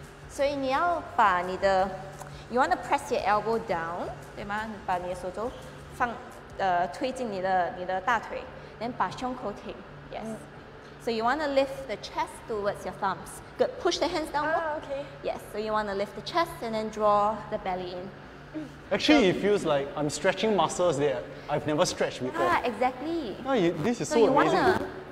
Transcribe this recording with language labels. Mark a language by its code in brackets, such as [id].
[en] So you want to press your elbow down. [zh] 对吗? 把你的手肘放推进你的大腿. [en] Then [zh] 把胸口挺.Yes. [en] So you want to lift the chest towards your thumbs. Good, push the hands down. Okay. Yes, so you want to lift the chest and then draw the belly in. Actually, it feels like I'm stretching muscles there. I've never stretched before. Ah, exactly. Oh, this is so amazing.